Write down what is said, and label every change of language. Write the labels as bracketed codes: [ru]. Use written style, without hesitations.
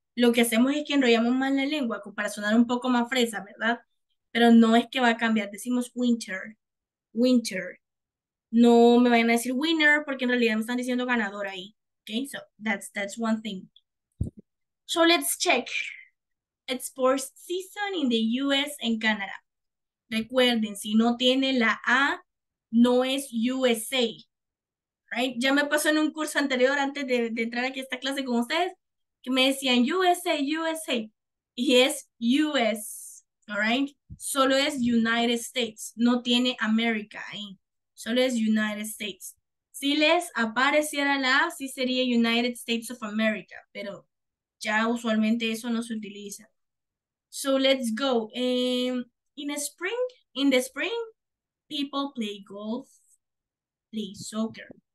[es] Lo que hacemos es que enrollamos más la lengua para sonar un poco más fresa, ¿verdad? Pero no es que va a cambiar. Decimos winter. Winter. No me vayan a decir winner porque en realidad me están diciendo ganador ahí. [en] Okay? So that's one thing. So let's check. It's sports season in the US and Canada. [es] Recuerden, si no tiene la A, no es USA. [en] Right? [es] Ya me pasó en un curso anterior, antes de entrar aquí a esta clase con ustedes, que me decían USA, USA. Y es US. [en] All right? [es] Solo es United States. No tiene America ahí. Solo es United States. Si les apareciera la A, sí sería United States of America. Pero ya usualmente eso no se utiliza. [en] So let's go. In the spring, people play golf, play soccer.